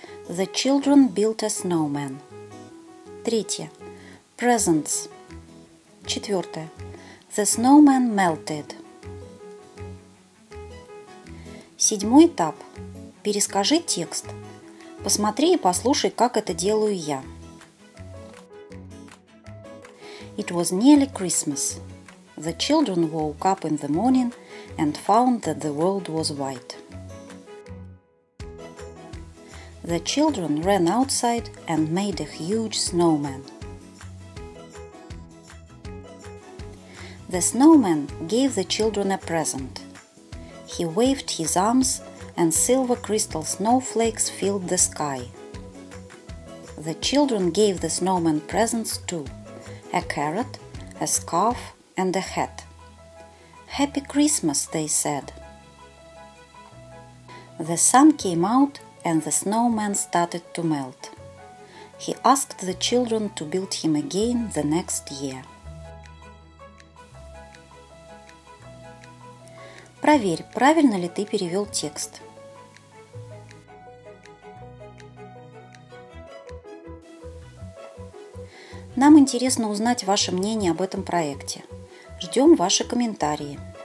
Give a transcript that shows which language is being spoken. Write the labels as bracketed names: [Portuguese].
[English] The children built a snowman. [Russian] Третье. [English] Presents. [Russian] Четвертое. [English] The snowman melted. [Russian] Седьмой этап. Перескажи текст. Посмотри и послушай, как это делаю я. [English] It was nearly Christmas. The children woke up in the morning and found that the world was white. The children ran outside and made a huge snowman. The snowman gave the children a present. He waved his arms and silver crystal snowflakes filled the sky. The children gave the snowman presents too, a carrot, a scarf, and a hat. Happy Christmas, they said. The sun came out and the snowman started to melt. He asked the children to build him again the next year. [Russian] Проверь, правильно ли ты перевел текст. Нам интересно узнать ваше мнение об этом проекте. Ждем ваши комментарии.